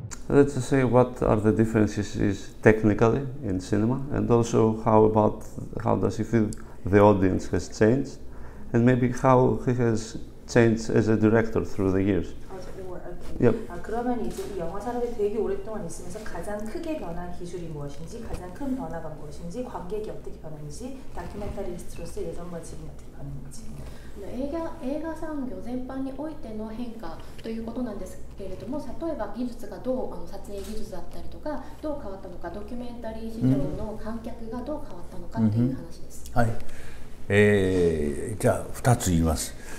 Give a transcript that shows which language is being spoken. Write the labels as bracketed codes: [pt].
[en] Let's say, what are the differences technically in cinema, and also how does he feel the audience has changed, and maybe how he has changed as a director through the years. Yep. [ko] 아, 그러면 이제 이 영화 산업에 되게 오랫동안 있으면서 가장 크게 변한 기술이 무엇인지, 가장 큰 변화가 무엇인지, 관객이 어떻게 변하는지, 다큐멘터리스트로서 예전과 지금 어떻게 변하는지. [ja] 映画産業全般においての変化ということなんですけれども、例えば技術がどう、あの撮影技術だったりとかどう変わったのか、ドキュメンタリー市場の観客がどう変わったのかという話です。はい、じゃあ2つ言います。